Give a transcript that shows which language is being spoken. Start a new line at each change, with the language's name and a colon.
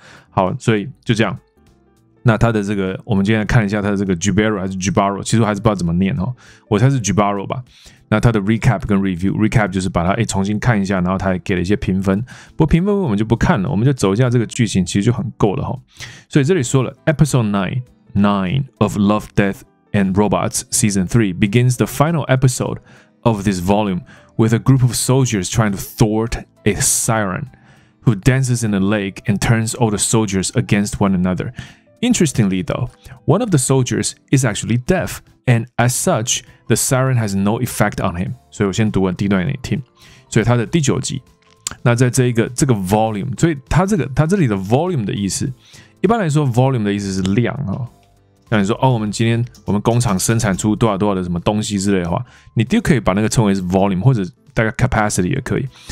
Chinese: 好，所以就这样。那他的这个，我们今天来看一下他的这个 Gibaro 还是 Gibaro， 其实我还是不知道怎么念，我猜是 Gibaro 吧。那他的 recap 跟 review，recap 就是把它重新看一下，然后他还给了一些评分。不过评分我们就不看了，我们就走一下这个剧情，其实就很够了哈。所以这里说了
English: ，episode 9 of Love, Death and Robots season 3 begins the final episode of this volume with a group of soldiers trying to thwart a siren who dances in a lake and turns all the soldiers against one another. Interestingly, though, one of the soldiers is actually deaf. And as such, the siren has no effect on him.
Chinese: 所以我先读完第一段给你听。所以他的第九集，那在这个 volume， 所以他这里的 volume 的意思，一般来说 volume 的意思是量哈。那你说哦，我们工厂生产出多少多少的什么东西之类的话，你就可以把那个称为是 volume， 或者大概 capacity 也可以。